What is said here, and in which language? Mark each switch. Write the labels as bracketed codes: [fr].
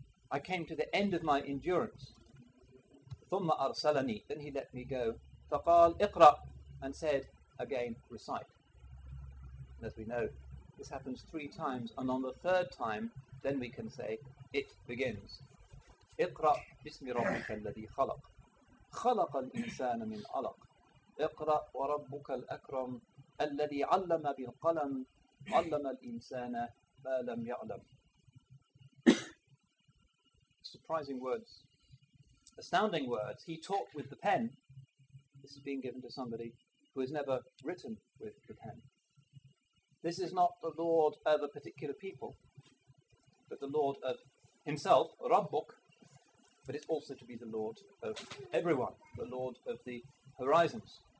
[en] I came to the end of my endurance. [ar] ثُمَّ أَرْسَلَنِي [en] Then he let me go. [ar] فَقَالْ اِقْرَى [en] And said, again, recite. And as we know, this happens three times, and on the third time, then we can say, it begins. [ar] اقرأ بسم ربك الذي خلق خلق الإنسان من علق اقرأ وربك الأكرم الذي علم بالقلم علم الإنسان ما لم يعلم [en] Surprising words. Astounding words. He taught with the pen. This is being given to somebody who has never written with the pen. This is not the Lord of a particular people. But the Lord of himself, Rabbuk, but it's also to be the Lord of everyone, the Lord of the horizons.